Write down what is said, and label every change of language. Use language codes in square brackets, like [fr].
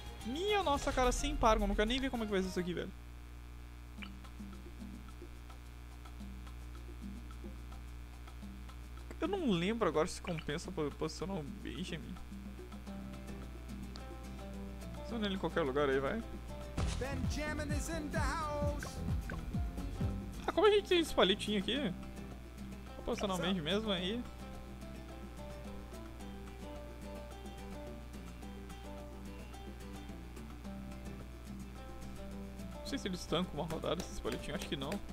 [pt] Minha nossa, cara, sem Paragon. Não quero nem ver como é que vai ser isso aqui, velho. Eu não lembro agora se compensa posicionar o Benjamin. Posiciona ele em qualquer lugar aí, vai. [en] Benjamin is in the house. [pt] Ah, como a gente tem esse palitinho aqui? Vou posicionar o Benjamin mesmo aí. Não sei se eles tankam uma rodada esses palitinhos, acho que não.